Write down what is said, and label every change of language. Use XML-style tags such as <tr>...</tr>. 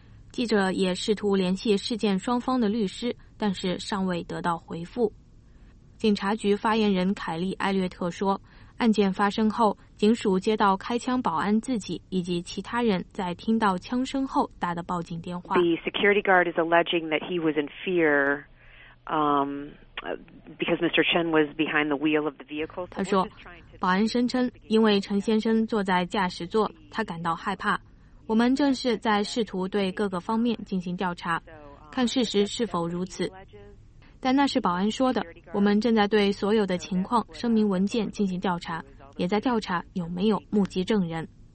<zh>记者也试图联系事件双方的律师，但是尚未得到回复。警察局发言人凯利·艾略特说，案件发生后，警署接到开枪保安自己以及其他人在听到枪声后打的报警电话。</zh> <en>The security guard is alleging that he was in fear, because Mr. Chen was behind the wheel of the vehicle.</en> <zh>他说，保安声称，因为陈先生坐在驾驶座，他感到害怕。我们正是在试图对各个方面进行调查，看事实是否如此。但那是保安说的，我们正在对所有的情况声明文件进行调查，也在调查有没有目击证人。</zh>